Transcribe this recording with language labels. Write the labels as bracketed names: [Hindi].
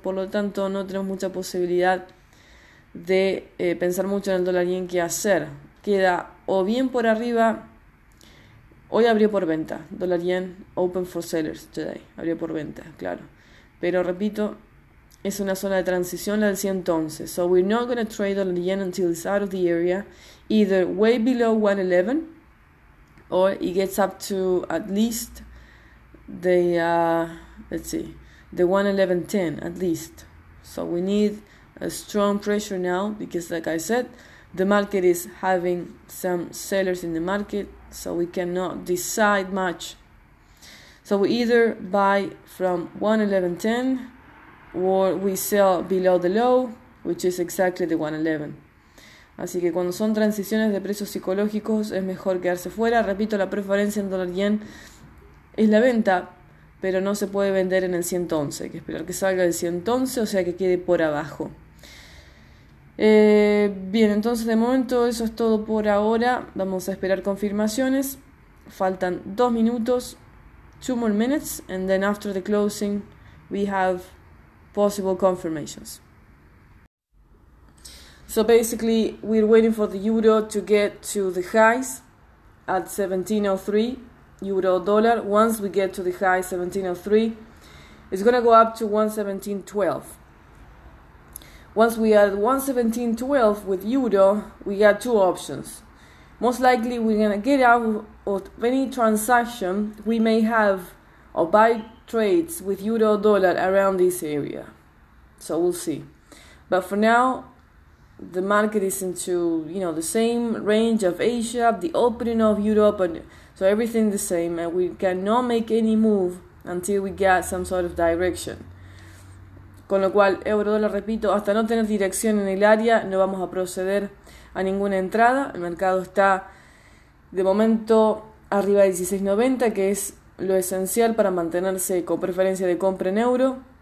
[Spanish] Por lo tanto, no tenemos mucha posibilidad de pensar mucho en el dólar yen qué hacer. Queda o bien por arriba. Hoy abrió por venta, dólar yen [English] open for sellers today, [Spanish] abrió por venta, claro. Pero repito, es una zona de transición la del 111. [English] So we're not going to trade dólar yen until it's out of the area, either way below 111, or it gets up to at least the, let's see, the 111.10 at least. So we need a strong pressure now, because like I said, the market is having some sellers in the market, so we cannot decide much. So we either buy from 111.10 or we sell below the low, which is exactly the 111. [Spanish] Así que cuando son transiciones de precios psicológicos es mejor quedarse fuera. Repito, la preferencia en dólar yen es la venta, pero no se puede vender en el 111. Hay que esperar que salga el 111, o sea que quede por abajo. Bien, entonces de momento eso es todo por ahora. Vamos a esperar confirmaciones. Faltan 2 minutos, [English] 2 more minutes, and then after the closing we have possible confirmations. So basically we're waiting for the euro to get to the highs at 17.03 euro dollar. Once we get to the high 17.03, it's going to go up to 117.12. Once we are at 117.12 with euro, we got two options. Most likely we're going to get out of any transaction we may have or buy trades with euro dollar around this area. So we'll see. But for now, the market is into, you know, the same range of Asia, the opening of Europe, and so everything the same. And we cannot make any move until we get some sort of direction. [Spanish] Con lo cual, euro dólar, repito, hasta no tener dirección en el área, no vamos a proceder a ninguna entrada. El mercado está, de momento, arriba de 16.90, que es lo esencial para mantenerse con preferencia de compra en euro.